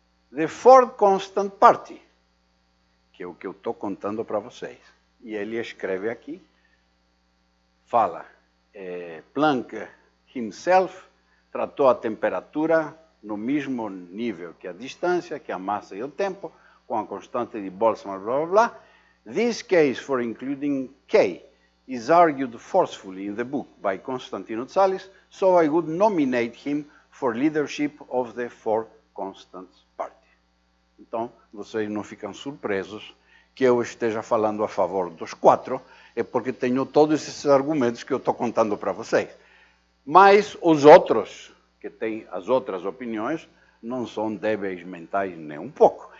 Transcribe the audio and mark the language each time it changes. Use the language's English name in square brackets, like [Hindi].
[Portuguese] The Four Constant Party, que é o que eu estou contando para vocês. E ele escreve aqui, fala, Planck himself tratou a temperatura no mesmo nível que a distância, que a massa e o tempo, com a constante de Boltzmann, blá, blá, blá. [English] This case for including K is argued forcefully in the book by Constantino Tsallis, so I would nominate him for leadership of the Four Constants Party. [Portuguese] Então, vocês não ficam surpresos que eu esteja falando a favor dos quatro, é porque tenho todos esses argumentos que eu estou contando para vocês. Mas os outros, que têm as outras opiniões, não são débeis mentais nem um pouco.